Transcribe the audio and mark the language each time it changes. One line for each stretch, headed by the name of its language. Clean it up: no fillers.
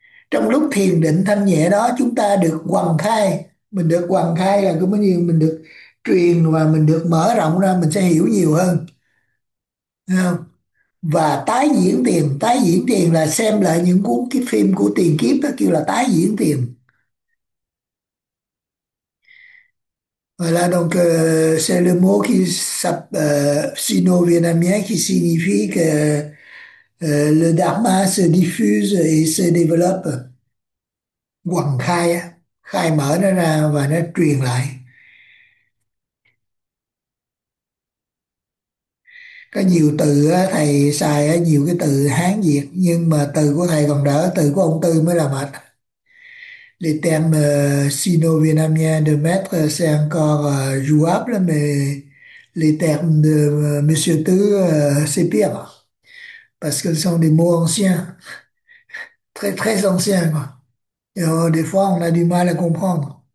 Vietnamese: Trong lúc thiền định thanh nhẹ đó chúng ta được hoằng khai, mình được hoằng khai là cũng như mình được truyền và mình được mở rộng ra, mình sẽ hiểu nhiều hơn. Đấy không? Và tái diễn tiền là xem lại những cuốn cái phim của tiền kiếp đó, kêu là tái diễn tiền. Và là
French: donc c'est le mot qui sap sino-vietnamien qui signifie que le dharma se diffuse et se développe.
Vietnamese: Quần khai, khai mở nó ra và nó truyền lại. Có nhiều từ thầy xài nhiều cái từ Hán Việt nhưng mà từ của thầy còn đỡ, từ của ông Tư mới là mệt.
French: Les termes sino-vietnamiens de maître c'est encore jouable mais les termes de monsieur Tư c'est pire parce que ce sont des mots anciens, très très anciens quoi. Et des fois on a du mal à comprendre.